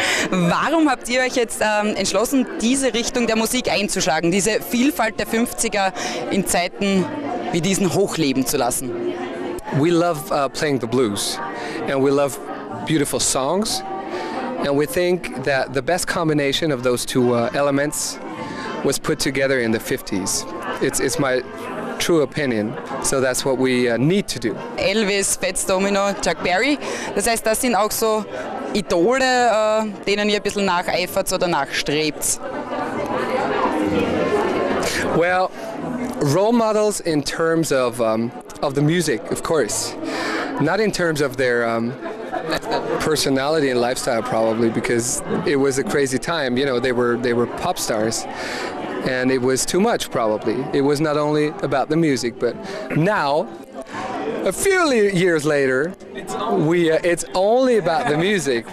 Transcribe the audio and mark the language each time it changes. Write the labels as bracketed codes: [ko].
[de] Warum habt ihr euch jetzt entschlossen, diese Richtung der Musik einzuschlagen, diese Vielfalt der 50er in Zeiten wie diesen hochleben zu lassen? [en] We love playing the blues and we love beautiful songs and we think that the best combination of those two elements was put together in the 50s. It's my true opinion, so that's what we need to do. [de] Elvis, Fats Domino, Chuck Berry, das heißt, das sind auch so Idole, denen ihr ein bisschen nacheifert oder nachstrebt. [en] Well, role models in terms of the music, of course, not in terms of their personality and lifestyle probably, because it was a crazy time, you know, they were pop stars. And it was too much, probably. It was not only about the music, but now, a few years later, it's only about the music.